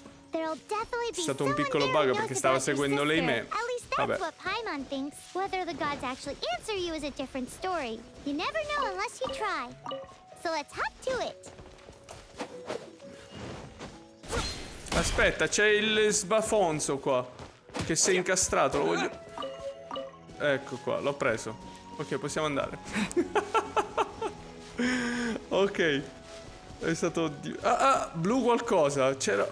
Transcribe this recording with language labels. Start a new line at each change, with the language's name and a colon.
Italian: È stato un piccolo bug perché stava seguendo lei me. Vabbè.
English: Whether the gods actually answer you is a different story. You never know unless you try. So let's hop to it.
Italian: Aspetta, c'è il sbafonzo qua che si è incastrato, lo voglio. Ecco qua, l'ho preso. Ok, possiamo andare. Ok. È stato... Ah, ah, blu qualcosa. C'era...